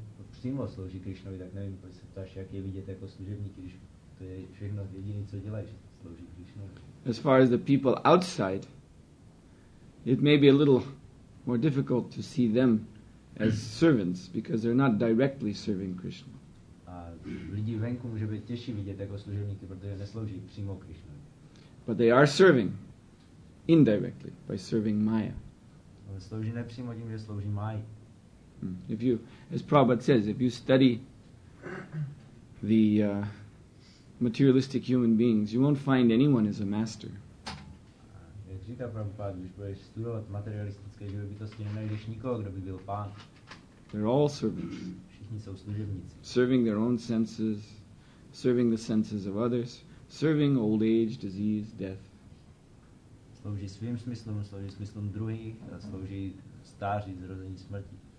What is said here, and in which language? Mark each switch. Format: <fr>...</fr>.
<cs>Přímo slouží Krišnovi, tak nevím, proč se ptáš, jak je vidět jako služebníky, když to je všechno jediné, co dělají, že slouží Krišnovi.</cs> <en>As far as the people outside, it may be a little more difficult to see them as servants, because they're not directly serving Krishna.</en> <cs>A lidi venku může být těžší vidět jako služebníky, protože neslouží přímo Krišnovi.</cs> <en>But they are serving indirectly by serving Maya.</en> <cs>Ale slouží nepřímo tím, že slouží Maya.</cs> <en>If you, as Prabhupada says, if you study the materialistic human beings, you won't find anyone as a master.</en> <cs>Jak říká Prabhupada, když budeš studovat materialistické živobytosti, nenajdeš nikoho, kdo by byl pán.</cs> <en>They're all servants.</en> <cs>Všichni jsou služebníci.</cs> <en>Serving their own senses, serving the senses of others, serving old age, disease, death.</en> <cs>Slouží svým smyslům, slouží smyslům druhých, a slouží stáří, zrození, smrti.</cs>